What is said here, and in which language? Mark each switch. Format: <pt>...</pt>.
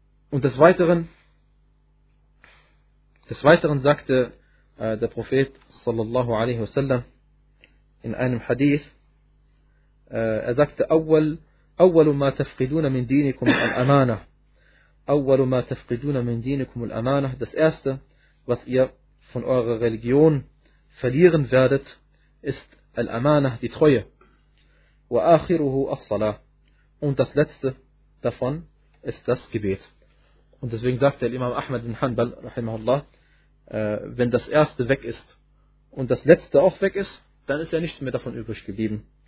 <de>Und des Weiteren sagte der Prophet sallallahu alaihi wasallam in einem Hadith, er sagte,</de> <ar>أول ما تفقدون من دينكم الأمانة. أول ما تفقدون من دينكم الأمانة.</ar> <de>Das Erste, was ihr von eurer Religion verlieren werdet, ist الأمانة, die Treue.</de> <ar>وآخره الصلاة.</ar> <de>Und das Letzte davon ist das Gebet. Und deswegen sagte der Imam Ahmad bin Hanbal, rahimahullah, wenn das Erste weg ist und das Letzte auch weg ist, dann ist ja nichts mehr davon übrig geblieben.</de>